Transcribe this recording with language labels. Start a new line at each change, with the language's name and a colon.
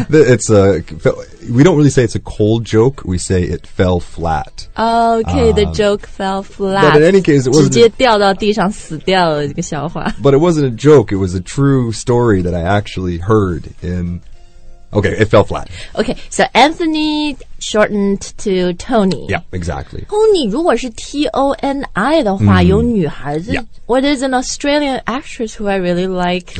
English: it's a, We don't really say it's a cold joke. We say it fell flat. Okay, the joke fell flat. But in any case, it wasn't...
Chinese: 直接掉到地上死掉了一个笑话
English: But it wasn't a joke. It was a true story that I actually heard in... Okay, it fell flat. Okay, so Anthony shortened to Tony. Yeah, exactly.
Chinese: Tony, 如果是 T-O-N-I 的话、mm. 有女孩子、
English: yeah. Well, there's an Australian actress who I really like,、